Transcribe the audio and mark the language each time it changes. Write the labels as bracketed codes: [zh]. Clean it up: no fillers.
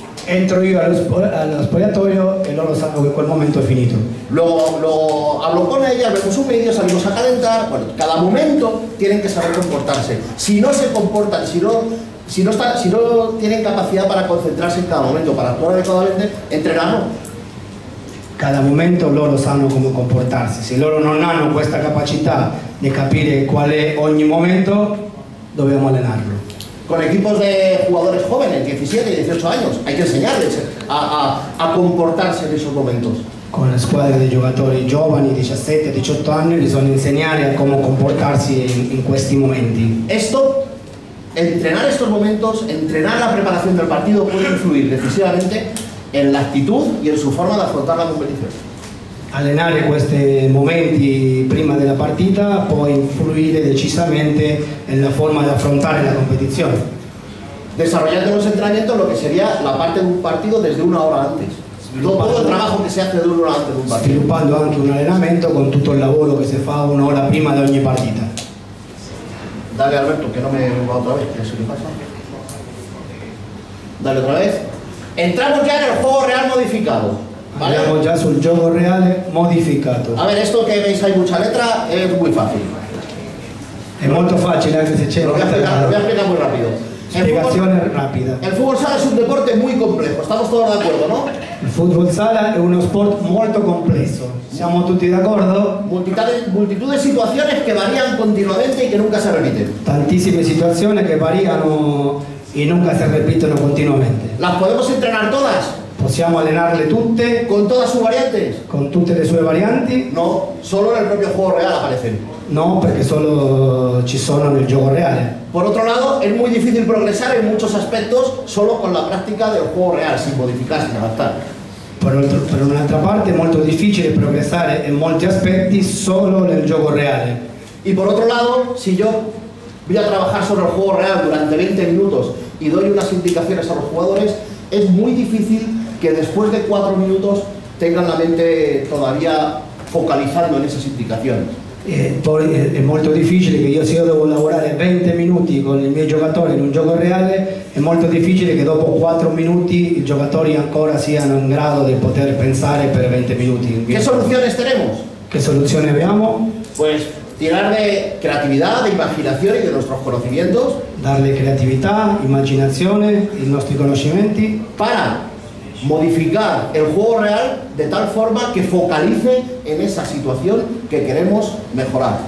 [es] Entro yo al spogliatoio y loro saben que [it] quel momento [es] es finito. Lo hablo con ella, vemos un vídeo, salimos a calentar. Bueno, cada momento tienen que saber comportarse. Si no se comportan, si no tienen capacidad para concentrarse en cada momento, para actuar adecuadamente, entrenarlo. Cada momento [it] loro sanno come comportarsi. Se loro non hanno questa capacità di capire qual è ogni momento, dobbiamo allenarlo. [es] Con equipos de jugadores jóvenes, 17 y 18 años, hay que enseñarles a comportarse en esos momentos. [it] Con la squadra di giocatori giovani, 17, 18 anni, bisogna insegnare a come comportarsi in questi momenti. [es] Esto. Entrenar estos momentos, entrenar la preparación del partido puede influir decisivamente en la actitud y en su forma de afrontar la competición. [it] Allenare questi momenti prima della partita può influire decisamente [es] en la forma de afrontar la competición. Desarrollando los entrenamientos lo que sería la parte de un partido desde una hora antes. Todo el trabajo que se hace de una hora antes de un partido. [it] Sviluppando anche un allenamento con tutto il lavoro che si fa [es] una hora [it] prima di ogni partita. [es] Dale, Alberto, que no me va otra vez, que es lo que pasa. Dale otra vez. Entramos ya en el juego real modificado. ¿Vale? Entramos ya sobre el juego real modificado. A ver, esto que veis, hay mucha letra, es muy fácil. Es muy fácil, antes de chero. Lo voy a explicar muy rápido. Explicaciones rápidas. El fútbol sala es un deporte muy complejo, estamos todos de acuerdo, ¿no? El fútbol sala es un sport muy complejo. [it] ¿Siamo tutti d'accordo? [es] Multitud de situaciones que varían continuamente y que nunca se repiten. [it] Tantissime situazioni che variano e [es] nunca se [it] repitono continuamente. [es] ¿Las podemos entrenar todas? [it] ¿Possiamo allenarle tutte? [es] ¿Con todas sus variantes? [it] ¿Con tutte le sue varianti? [es] No, solo en el propio juego real aparecen. [it] No, perché solo ci sono nel gioco reale. [es] Por otro lado, es muy difícil progresar en muchos aspectos solo con la práctica del juego real, sin modificar, sin adaptar. [it] Per un'altra parte è molto difficile progressare in molti aspetti solo nel gioco reale. E per altro lato, se io voy a lavorare sul gioco reale durante 20 minuti e do unas indicazioni a los jugadores, è molto difficile che [es] después de [it] 4 minuti tengan la mente todavía focalizzando in esas indicazioni. Poi è molto difficile che io devo lavorare 20 minuti con i miei giocatori in un gioco reale, è molto difficile che dopo 4 minuti i giocatori ancora siano in grado di poter pensare per 20 minuti. Che soluzioni avremo? Che soluzioni abbiamo? [es] Pues tirar de creatividad, de imaginación y de nuestros conocimientos. Darle creatividad, imaginación y nuestros conocimientos. Para modificar el juego real de tal forma que focalice en esa situación que queremos mejorar.